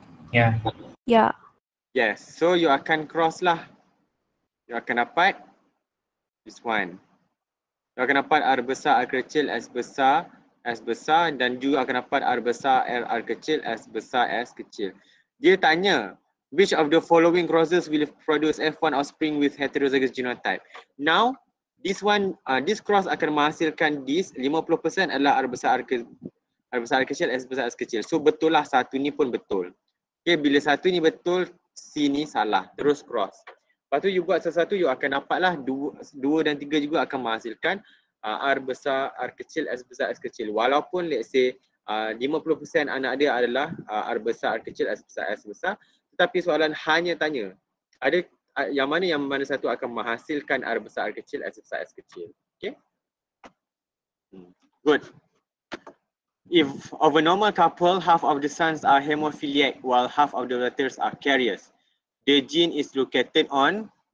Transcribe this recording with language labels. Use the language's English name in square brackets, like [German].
[Malay] Ya. [English] Yeah. [Malay] Ya. [English] Yeah. Yes. So you [Malay] akan [English] cross [Malay] lah. [English] You [Malay] akan dapat [English] this one. You [Malay] akan dapat R besar, R kecil, S besar, S besar dan juga akan dapat R besar, R, R kecil, S besar, S kecil. Dia tanya, [English] which of the following crosses will produce F1 offspring with heterozygous genotype? Now, this one, this cross [Malay] akan menghasilkan [English] this [Malay] 50% adalah R besar, R besar, R kecil, S besar, S kecil. [English] So [Malay] betul lah satu ni pun betul. Okay, bila satu ni betul, C ni salah. Terus cross. Lepas tu [English] you [Malay] buat sesuatu, [English] you [Malay] akan dapat lah dua dan tiga juga akan menghasilkan R besar, R kecil, S besar, S kecil. Walaupun [English] let's say [Malay] 50% anak dia adalah R besar, R kecil, S besar, S besar. Tetapi soalan hanya tanya, ada yang mana satu akan menghasilkan R besar, R kecil, S besar, S kecil. [English] Okay? Good. If of a normal couple, half of the sons are hemophiliac while half of the daughters are carriers, the gene is located on?